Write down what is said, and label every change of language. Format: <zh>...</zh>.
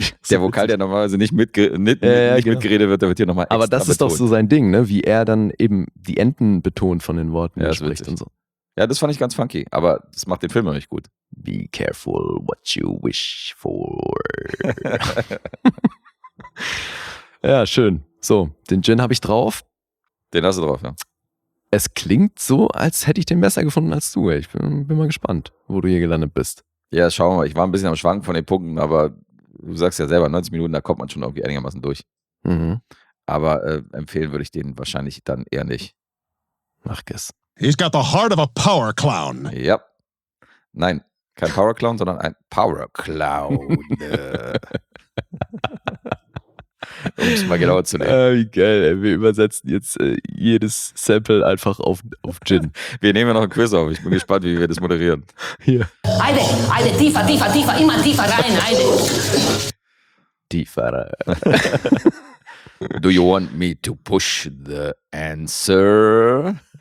<de>Der Vokal, der normalerweise nicht mitgeredet wird, der wird hier nochmal extra Aber das ist betont. Doch so sein Ding, ne? Wie er dann eben die Enden betont von den Worten, ja, spricht und so. Ja, das fand ich ganz funky, aber das macht den Film auch nicht gut.</de> <en>Be careful what you wish for.</en> <de>Ja, schön. So, den Djinn habe ich drauf. Den hast du drauf, ja. Es klingt so, als hätte ich den besser gefunden als du. Ich bin mal gespannt, wo du hier gelandet bist. Ja, schauen wir mal. Ich war ein bisschen am Schwanken von den Punkten, aber du sagst ja selber, 90 Minuten, da kommt man schon irgendwie einigermaßen durch. Mhm. Aber empfehlen würde ich den wahrscheinlich dann eher nicht. Mach es.</de> <en>He's got the heart of a power clown.</en> <de>Ja. Nein, kein Power Clown, sondern ein Power Clown. Um es mal genauer zu nehmen. Wie geil, ey. Wir übersetzen jetzt jedes Sample einfach auf Djinn. Wir nehmen ja noch ein Quiz auf. Ich bin gespannt, wie wir das moderieren. Hier. Eine, tiefer, tiefer, tiefer, immer tiefer rein, eine. Tiefer.</de> <en>Do you want me to push the answer?</en>